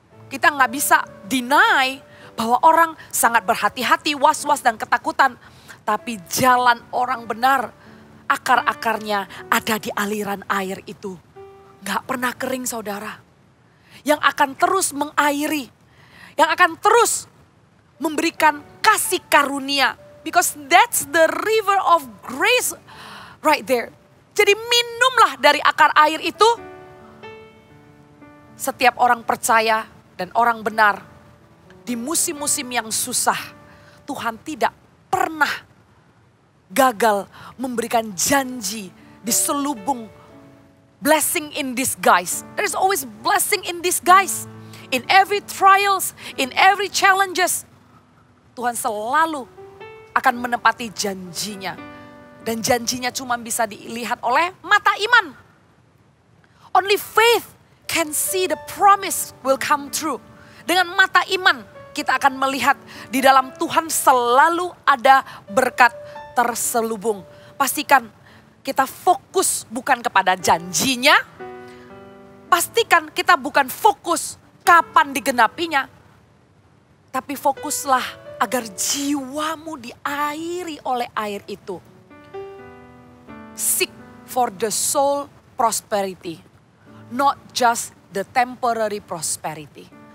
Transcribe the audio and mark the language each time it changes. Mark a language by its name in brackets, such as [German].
[Indonesian] Kita gak bisa deny bahwa orang sangat berhati-hati, was-was dan ketakutan. Tapi jalan orang benar, akar-akarnya ada di aliran air itu. Gak pernah kering saudara. Yang akan terus mengairi. Yang akan terus memberikan kasih karunia. [English] Because that's the river of grace right there. [Indonesian] Jadi minumlah dari akar air itu. Setiap orang percaya dan orang benar. Di musim-musim yang susah, Tuhan tidak pernah gagal memberikan janji diselubung [English] blessing in disguise. There is always blessing in disguise. In every trials, in every challenges, [Indonesian] Tuhan selalu akan menepati janjinya. Dan janjinya cuma bisa dilihat oleh mata iman. [English] Only faith can see the promise will come true. [Indonesian] Dengan mata iman, kita akan melihat di dalam Tuhan selalu ada berkat terselubung. Pastikan kita fokus bukan kepada janjinya. Pastikan kita bukan fokus kapan digenapinya. Tapi fokuslah agar jiwamu diairi oleh air itu. [English] Seek for the soul prosperity, not just the temporary prosperity.